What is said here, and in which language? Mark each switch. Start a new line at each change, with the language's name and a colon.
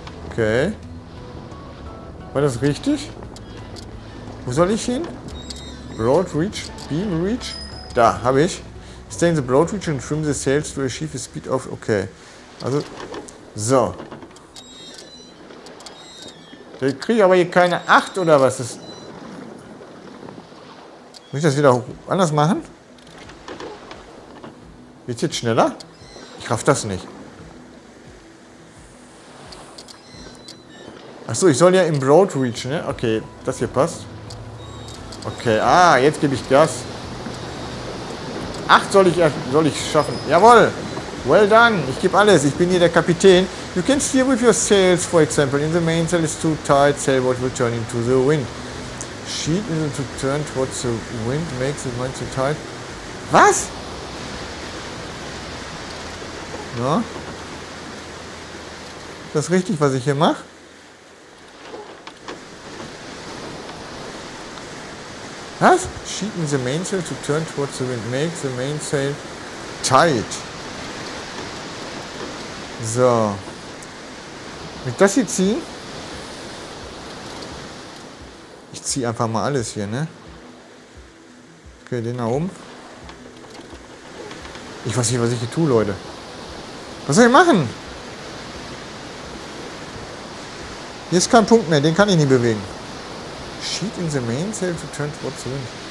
German: Okay. War das richtig? Wo soll ich hin? Broad reach, beam reach. Da, habe ich.
English: Stay in the broad reach and trim the sails to achieve a speed of...
German: Okay. Also... So. Da kriege ich aber hier keine 8 oder was ist. Muss ich das wieder anders machen? Geht's jetzt schneller? Ich raff das nicht. Achso, ich soll ja im Broad Reach, ne? Okay, das hier passt. Okay, ah, jetzt gebe ich Gas. 8 soll ich schaffen. Jawohl!
English: Well done,
German: ich gebe alles, ich bin hier der Kapitän.
English: You can steer with your sails, for example. In the mainsail is too tight, sailboat will turn into the wind. Sheet is to turn towards the wind, makes the mainsail too tight.
German: Was? Ja. Ist das richtig, was ich hier mache? Was?
English: Sheet in the mainsail to turn towards the wind, makes the mainsail tight.
German: So. Mit das hier ziehen? Ich ziehe einfach mal alles hier, ne? Okay, den nach oben. Ich weiß nicht, was ich hier tue, Leute. Was soll ich machen? Hier ist kein Punkt mehr, den kann ich nicht bewegen.
English: Sheet in the mainsail to turn towards the wind.